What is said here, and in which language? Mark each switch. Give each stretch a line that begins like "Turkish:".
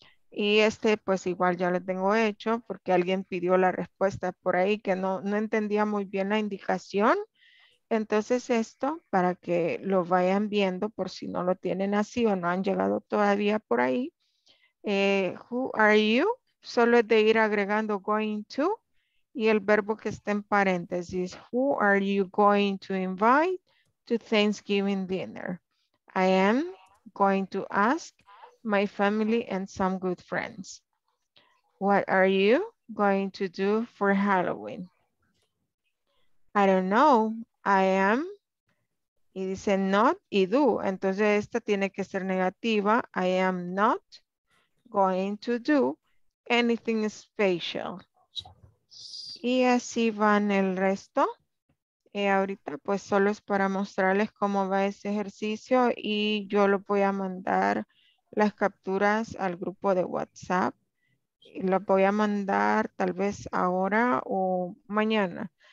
Spanish: Y este, pues igual ya lo tengo hecho porque alguien pidió la respuesta por ahí que no entendía muy bien la indicación. Entonces esto, para que lo vayan viendo por si no lo tienen así o no han llegado todavía por ahí.
English: Who are you?
Spanish: Solo es de ir agregando going to y el verbo que está en paréntesis.
English: Who are you going to invite to Thanksgiving dinner? I am going to ask my family and some good friends. What are you going to do for Halloween? I don't know. I am,
Spanish: y dice not y do. Entonces esta tiene que ser negativa.
English: I am not going to do anything special.
Spanish: Y así van el resto. Y ahorita pues solo es para mostrarles cómo va ese ejercicio y yo lo voy a mandar las capturas al grupo de WhatsApp. Y lo voy a mandar tal vez ahora o mañana.